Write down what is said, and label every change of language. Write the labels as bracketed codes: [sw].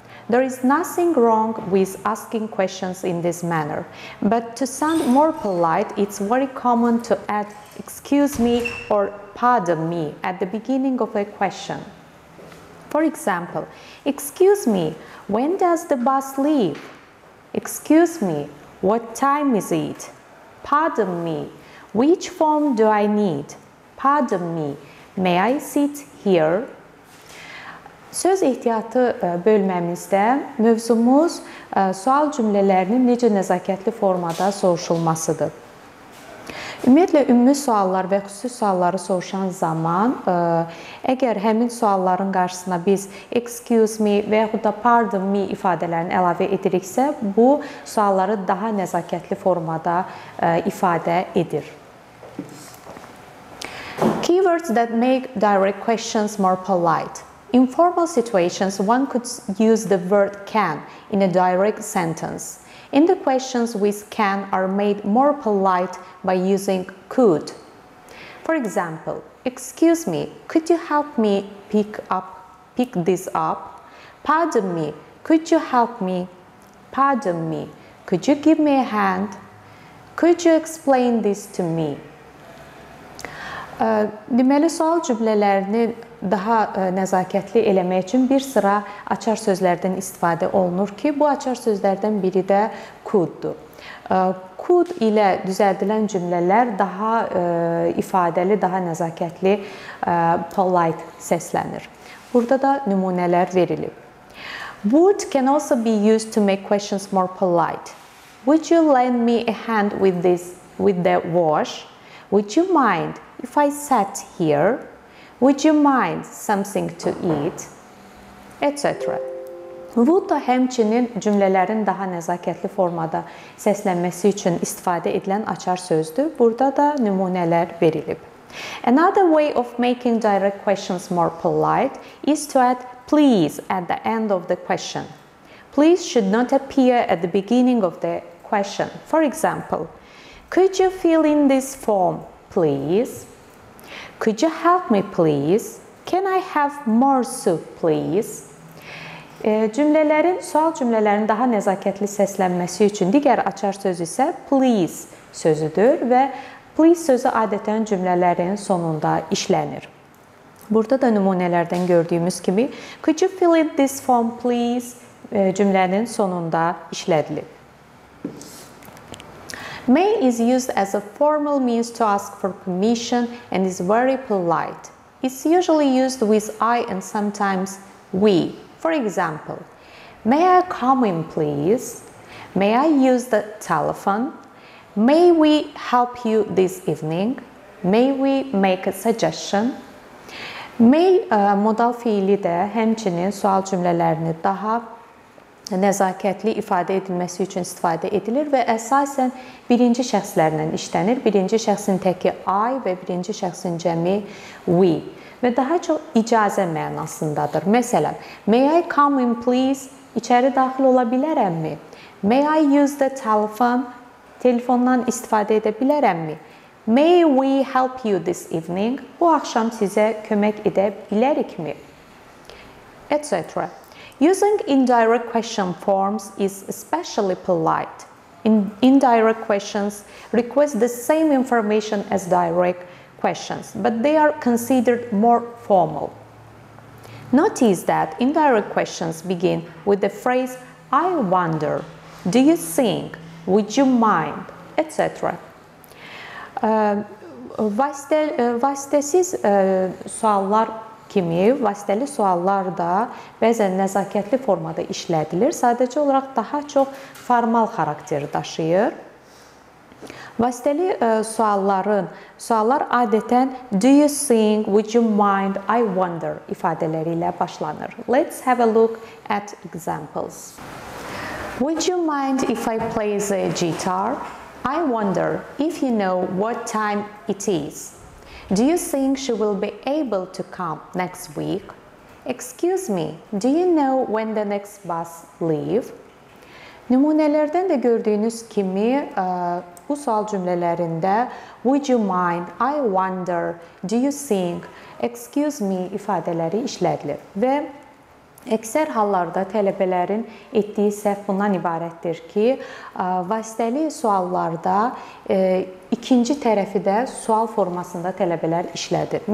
[en] There is nothing wrong with asking questions in this manner, but to sound more polite, it's very common to add excuse me or pardon me at the beginning of a question. For example, excuse me, when does the bus leave? Excuse me, what time is it? Pardon me, which form do I need? Pardon me, may I sit here? [az] Söz ehtiyatı bölməmizdə mövzumuz sual cümlələrinin necə nəzakətli formada soruşulmasıdır. Ümumiyyətlə, ümumi suallar və xüsusi sualları soruşan zaman, əgər həmin sualların qarşısına biz [en] excuse me [az] və yaxud da [en] pardon me [az] ifadələrini əlavə ediriksə, bu sualları daha nəzakətli formada ifadə edir. [en] Keywords that make direct questions more polite. In formal situations, one could use the word can in a direct sentence. In the questions with can are made more polite by using could. For example, excuse me, could you help me pick this up? Pardon me, could you help me? Pardon me, could you give me a hand? Could you explain this to me? [az] Deməli, sual cümlələrini daha nəzakətli eləmək üçün bir sıra açar sözlərdən istifadə olunur ki, bu açar sözlərdən biri də could-dur. Could ilə düzəldilən cümlələr daha ifadəli, daha nəzakətli, polite səslənir. Burada da nümunələr verilib. [en] Would can also be used to make questions more polite. Would you lend me a hand with the wash? Would you mind if I sat here? Would you mind something to eat? Etc. [az] Would da həmçinin cümlələrin daha nəzakətli formada səslənməsi üçün istifadə edilən açar sözdür. Burada da nümunələr verilib. [en] Another way of making direct questions more polite is to add please at the end of the question. Please should not appear at the beginning of the question. For example, could you fill in this form, please? Could you help me, please? Can I have more soup, please? [az] Sual cümlələrin daha nəzakətli səslənməsi üçün digər açar söz isə please sözüdür və please sözü adətən cümlələrin sonunda işlənir. Burada da nümunələrdən gördüyümüz kimi [en] could you fill in this form, please? [az] Cümlənin sonunda işlədilib. [en] May is used as a formal means to ask for permission and is very polite. It's usually used with I and sometimes we. For example, may I come in please? May I use the telephone? May we help you this evening? May we make a suggestion? [az] May modal fiili də həmçinin sual cümlələrini daha nəzakətli ifadə edilməsi üçün istifadə edilir və əsasən birinci şəxslərlə işlənir. Birinci şəxsin təki I və birinci şəxsin cəmi we və daha çox icazə mənasındadır. Məsələn, [en] may I come in please? [az] İçəri daxil ola bilərəmmi? [en] May I use the telephone? [az] Telefondan istifadə edə bilərəmmi? [en] May we help you this evening? [az] Bu axşam sizə kömək edə bilərikmi? etc. [en] Using indirect question forms is especially polite. Indirect questions request the same information as direct questions, but they are considered more formal. Notice that indirect questions begin with the phrase, I wonder, do you think, would you mind, etc. [az] Vasitəsiz suallar kimi, vasitəli suallar da bəzən nəzakətli formada işlədilir, sadəcə olaraq daha çox formal xarakter daşıyır. Vasitəli suallar adətən [en] do you think, would you mind, I wonder [az] ifadələri ilə başlanır. [en] Let's have a look at examples. Would you mind if I play the guitar? I wonder if you know what time it is. Do you think she will be able to come next week? Excuse me, do you know when the next bus leave? [az] Nümunələrdən də gördüyünüz kimi, bu sual cümlələrində [en] would you mind, I wonder, do you think, excuse me [az] ifadələri işlədilir və əksər hallarda tələbələrin etdiyi səhv bundan ibarətdir ki, vasitəli suallarda ikinci tərəfi də sual formasında tələbələr işlədir.